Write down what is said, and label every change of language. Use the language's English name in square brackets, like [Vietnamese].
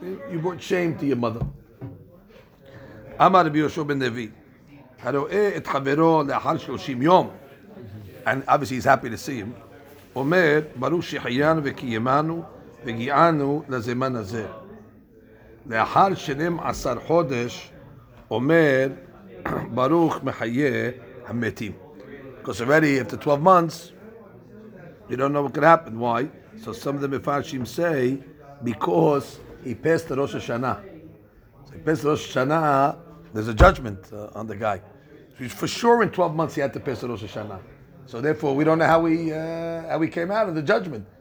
[English] You brought shame to your mother. [Hebrew] Amar Rabbi Yoshua ben Nevi, haro'eh et chavero le'achar 30 yom. [English] And obviously he's happy to see him. [Hebrew] Omer, baruch shechayanu vekiyemanu, וגיענו לזמן הזה. לאחר 12 חודש, אומר, ברוך מחיי המתים. [English] Because already after 12 months, you don't know what could happen. Why? So some of the Mefarshim say, because he passed the Rosh Hashanah. So he passed the Rosh Hashanah, there's a judgment on the guy. So for sure in 12 months he had to pass the Rosh Hashanah. So therefore we don't know how he came out of the judgment.